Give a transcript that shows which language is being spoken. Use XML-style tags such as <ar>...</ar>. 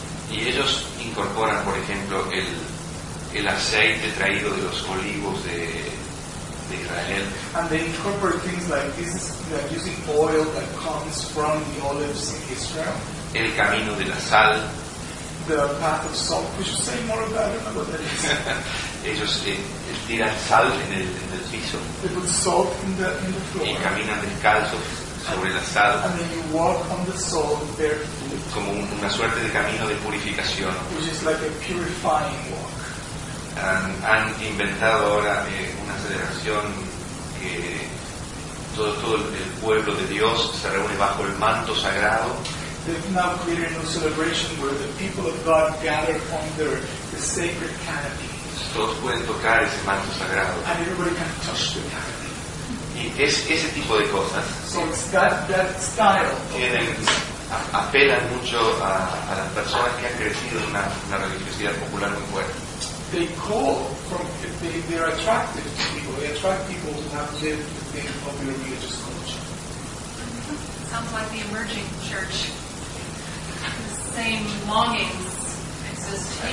<es>Y ellos incorporan, por ejemplo, el aceite traído de los olivos de Israel.</es> <en>And they incorporate things like this, like using oil that comes from the olives in Israel.</en> <es>El camino de la sal.</es> <en>The path of salt. We should say more about it. I don't know what that is.</en> <es>Ellos tiran sal en el piso.</es> <en>They put salt in the floor.</en> <es>Y caminan descalzos sobre la sal.</es> <en>And then you walk on the salt barefoot.</en> <es>Como una suerte de camino de purificación.</es> <en>Which is like a purifying walk.</en> <es>Han inventado ahora una celebración que todo el pueblo de Dios se reúne bajo el manto sagrado.</es> <en>They've now created a celebration where the people of God gather under the sacred canopy.</en> <es>Todos pueden tocar ese manto sagrado.</es> <en>And everybody can touch the canopy.</en> <es>ese tipo de cosas.</es> <en>So it's that style.</en> <es>Apelan mucho a las personas que han crecido en una religiosidad popular muy fuerte.</es> <en>They call from they're attractive to people. They attract people to not live the thing of your religious culture. Sounds like the emerging church. The same longings exist here.</en>